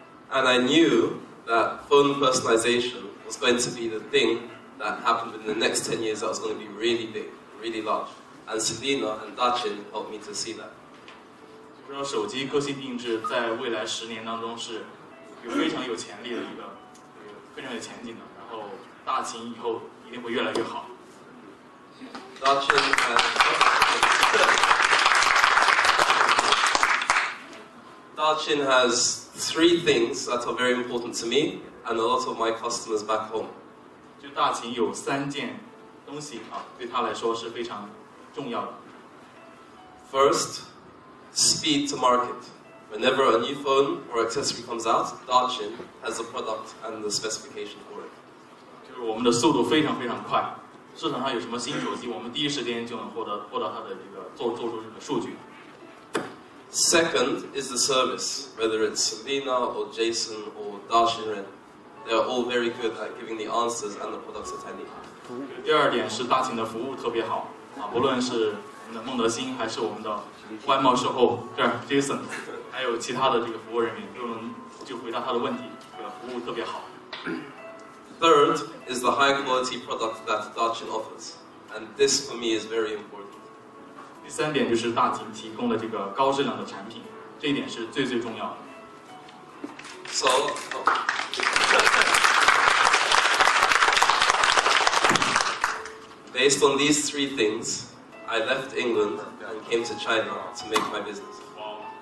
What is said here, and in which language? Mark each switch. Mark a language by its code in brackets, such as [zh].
[en] And I knew that phone personalization was going to be the thing that happened in the next 10 years that was going to be really big, really large. And Selena and DAQIN helped me to see that. [zh] 让手机个性定制在未来十年当中是有非常有潜力的一个非常有前景的，然后大秦以后一定会越来越好。 [en] DAQIN has three things that are very important to me and a lot of my customers back home. [zh] 就大秦有三件东西啊，对他来说是非常重要的。 [en] First. Speed to market. Whenever a new phone or accessory comes out, DAQIN has the product and the specification for it. [zh] 就是我们的速度非常非常快，市场上有什么新手机，我们第一时间就能获得它的这个做出这个数据。 [en] Second is the service. Whether it's Selena or Jason or DAQIN, they are all very good at giving the answers and the products that I need. [zh] 第二点是大秦的服务特别好啊，不论是我们的孟德兴还是我们的。外貌售后，这儿 Jason， 还有其他的这个服务人员，就回答他的问题，这个服务特别好。 [en] Third is the high quality product that DAQIN offers, and this for me is very important. [zh] 第三点就是大秦提供的这个高质量的产品，这一点是最最重要的。 [en] So,based on these three things. I left England and came to China to make my business.